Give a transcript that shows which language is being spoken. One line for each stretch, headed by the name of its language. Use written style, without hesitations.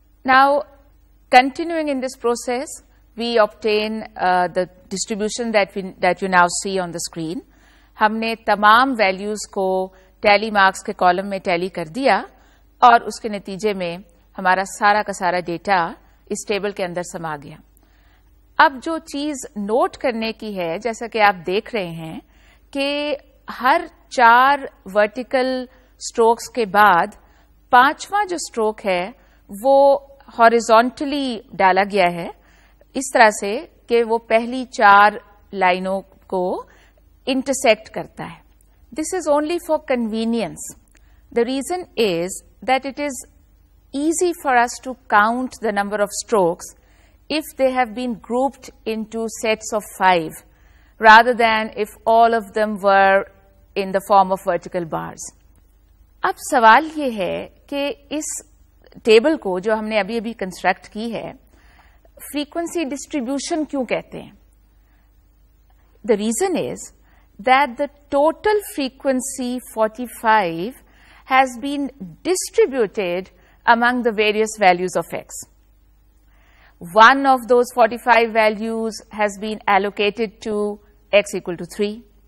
English: Now continuing in this process we obtain the distribution that you now see on the screen.
Urdu: ہم نے تمام values کو ٹیلی marks کے column میں ٹیلی کر دیا اور اس کے نتیجے میں ہمارا سارا کا سارا ڈیٹا اس ٹیبل کے اندر سما گیا. اب جو چیز نوٹ کرنے کی ہے, جیسا کہ آپ دیکھ رہے ہیں کہ ہر چار ورٹیکل اسٹروکس کے بعد پانچواں جو اسٹروک ہے وہ ہاریزونٹلی ڈالا گیا ہے, اس طرح سے کہ وہ پہلی چار لائنوں کو انٹرسیکٹ کرتا ہے.
English: This is only for convenience. The reason is that it is easy for us to count the number of strokes if they have been grouped into sets of five rather than if all of them were in the form of vertical bars.
Urdu: اب سوال یہ ہے کہ اس table کو جو ہم نے ابھی ابھی کنسٹرکٹ کی ہے فریکوینسی ڈسٹریبیوشن کیوں کہتے ہیں.
English: The reason is that the total frequency 45 has been distributed among the various values of x. One of those 45 values has been allocated to x equal to 3.